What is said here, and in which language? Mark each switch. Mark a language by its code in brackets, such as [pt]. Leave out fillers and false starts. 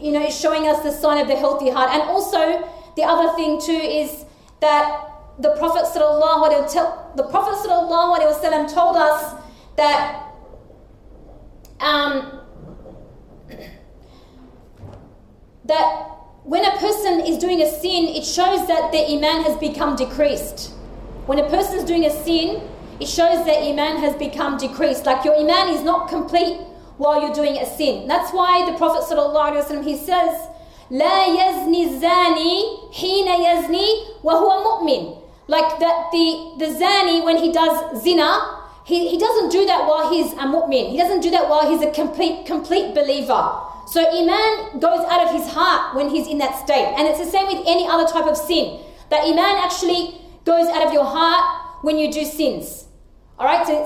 [en] you know, is showing us the sign of the healthy heart. And also, the other thing too is that the Prophet told us that that when a person is doing a sin, it shows that their iman has become decreased. When a person is doing a sin, it shows that iman has become decreased. Like, your iman is not complete while you're doing a sin. That's why the Prophet ﷺ, he says, [ar] لا يزني الزاني حين يزني وهو مؤمن. [en] Like, that the zani, when he does zina, he doesn't do that while he's a mu'min. He doesn't do that while he's a complete believer. So iman goes out of his heart when he's in that state. And it's the same with any other type of sin. That iman actually goes out of your heart when you do sins. All right?